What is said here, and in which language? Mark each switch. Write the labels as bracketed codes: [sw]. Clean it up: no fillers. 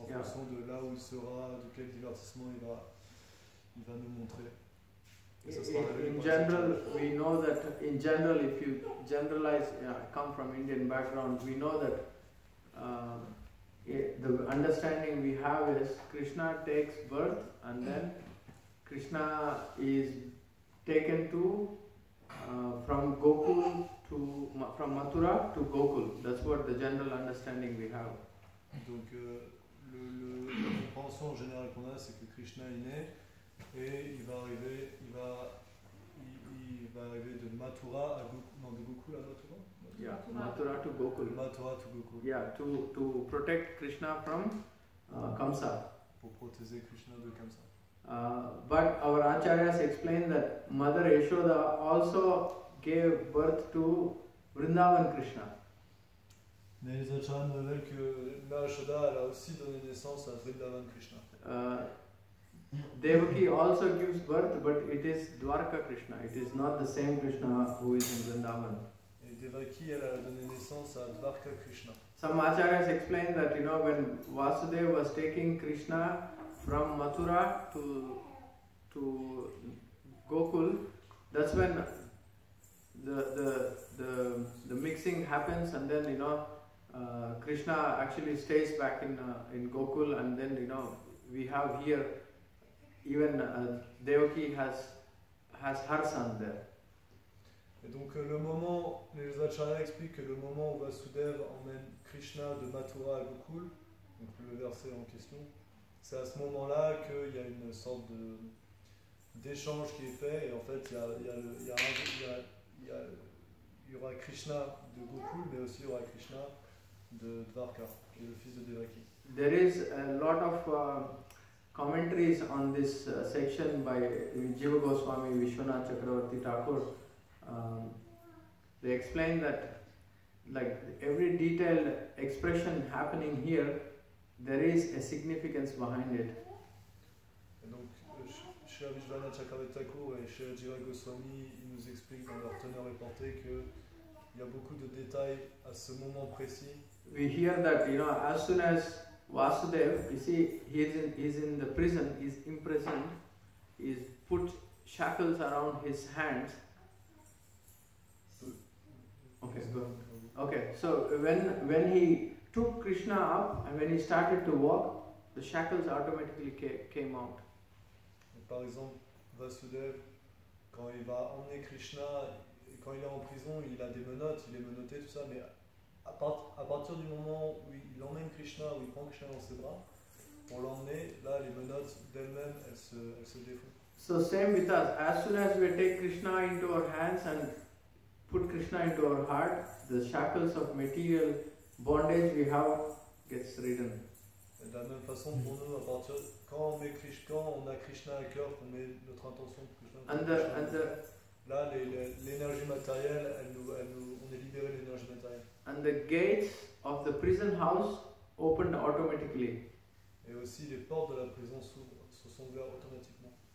[fr] En fonction de là où il sera, de quel divertissement il va nous montrer. [en] In general, if you generalize, come from Indian background, we know that the understanding we have is Krishna takes birth and then Krishna is taken to from Gokul to from Mathura to Gokul. That's what the general understanding we have. [fr] Donc le compréhension générale qu'on a, c'est que Krishna est né et il va arriver de Mathura à Gokul. Non, de Gokul à Mathura. [en] Mathura to Gokul. Mathura to Gokul. Yeah, to protect Krishna from Kamsa. [fr] Pour protéger Krishna de Kamsa. [en] But our acharyas explain that Mother Yashoda also gave birth to Vrindavan Krishna. [fr] Mais les acharyas nous révèlent que Mère Yashoda a aussi donné naissance à Vrindavan Krishna. [en] Devaki also gives birth, but it is Dwarka Krishna. It is not the same Krishna who is in Vrindavan. [fr] Et Devaki, elle a donné naissance à Dwarka Krishna. [en] Some acharyas explain that when Vasudev was taking Krishna from Mathura to Gokul, that's when the mixing happens, and then Krishna actually stays back in Gokul, and then, you know, we have here even Devaki has her son there. [fr] Et donc le moment, les acharyas expliquent que le moment où Vasudeva emmène Krishna de Mathura à Gokul, donc le verset en question, c'est à ce moment-là qu'il y a une sorte de d'échange qui est fait, et en fait il y aura Krishna de Gokul, mais aussi il y aura Krishna de Dvarka, qui est le fils de Devaki. [en] There is a lot of commentaries on this section by Jiva Goswami, Vishwanath Chakravarti Thakur. They explain that, like, every detailed expression happening here, there is a significance behind it. [fr] Et donc, Shri Vishwanath Chakravarti Thakur et Shri Jiva Goswami, ils nous expliquent dans leur teneur reportée qu'il y a beaucoup de détails à ce moment précis. [en] We hear that, you know, as soon as Vasudev, you see, he's in the prison, he's imprisoned, he's put shackles around his hands. Okay, good. Okay, so when he took Krishna up and when he started to walk, the shackles automatically came out. [fr] Par exemple, Vasudev, quand il va emmener Krishna, quand il est en prison, il a des menottes, il est menotté, tout ça, mais à partir du moment où il emmène Krishna, où il prend Krishna dans ses bras, pour l'emmener, là, les menottes d'elles-mêmes, elles se défont. [en] So same with us. As soon as we take Krishna into our hands and put Krishna into our heart, the shackles of material bondage we have gets ridden. [fr] Et de la même façon pour nous, à partir quand on met Krishna, quand on a Krishna à cœur, qu'on met notre intention pour Krishna. Là, l'énergie matérielle, on est libéré de l'énergie matérielle. [en] And the gates of the prison house opened automatically. [fr] Et aussi les portes de la prison se sont ouvertes automatiquement.